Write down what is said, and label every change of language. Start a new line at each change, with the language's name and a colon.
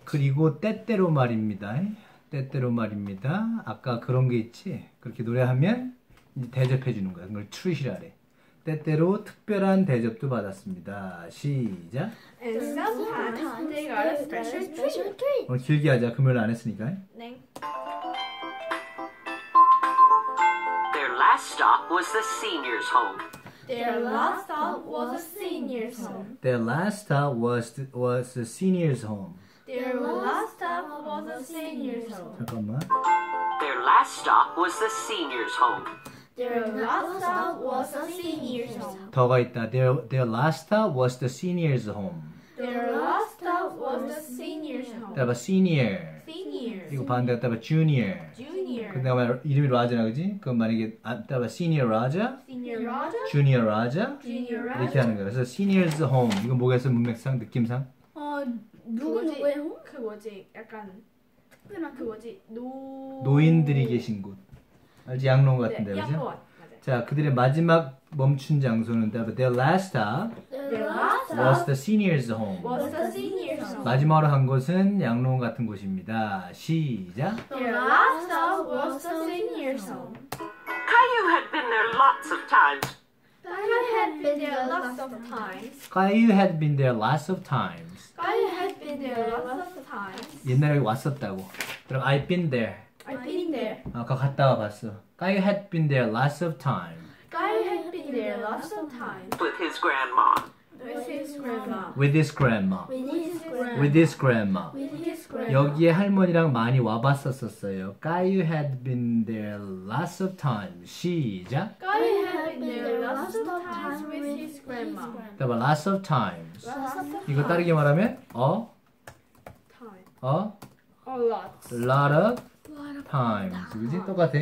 Korean: 그리고 때때로 말입니다. 때때로 말입니다. 아까 그런 게 있지. 그렇게 노래하면 대접해 주는 거야. 그걸 treat이라 해. 때때로 특별한 대접도 받았습니다. 시작.
English: And sometimes they got a special treat.
Korean: 오늘 길게 하자. 금요일 안 했으니까. 네.
English: Their last stop was the seniors' home. Their last stop was the seniors' home. Their last stop was the seniors' home. Their last stop was the seniors' home. 잠깐만. Their last stop was the seniors' home. Their last stop was the seniors' home.
Korean: 더 있다.
English: Their last stop was the seniors' home. Their last stop was the seniors' home.
Korean: 따라봐, senior.
English: Senior.
Korean: 이거 반대가 따라봐, junior.
English: Junior.
Korean: 그 다음에 이름이 Raja나, 그지? 그럼 만약에 따라봐,
English: senior Raja. Senior Raja. Junior Raja. Junior Raja.
Korean: 이렇게 하는 거야. 그래서
English: seniors' home.
Korean: 이건 뭐겠어, 문맥상, 느낌상? 누구의 home? 그 뭐지, 약간 특별한 그 뭐지, 노인들이 계신 곳. 알지? 양로원 같은데, 네, 그죠? 자, 그들의 마지막 멈춘 장소는
English: their last stop was the seniors' home. Was the seniors' home.
Korean: 마지막으로 한 곳은 양로원 같은 곳입니다. 시작!
English: Their last stop was the seniors' home. Caillou had been there lots of times. Caillou had been there lots of times. Caillou had been there lots of times. Caillou had been there lots of times.
Korean: 옛날에 왔었다고. 그럼
English: I've been there. I've been there.
Korean: 아까 갔다 와봤어.
English: Guy had been there lots of time. Guy had been there lots of time. With his grandma. With his grandma. With his grandma. With his grandma. With his grandma. With his grandma.
Korean: 여기에 할머니랑 많이 와봤었었어요.
English: Guy had been there lots of time.
Korean: 시작.
English: Guy had been there lots of times with his grandma.
Korean: 따라봐,
English: lots of times. Lots of
Korean: 이거
English: times.
Korean: 따르게 말하면 어?
English: Time.
Korean: 어?
English: A lot. Lot of? Times,
Korean: 그지? 똑같아.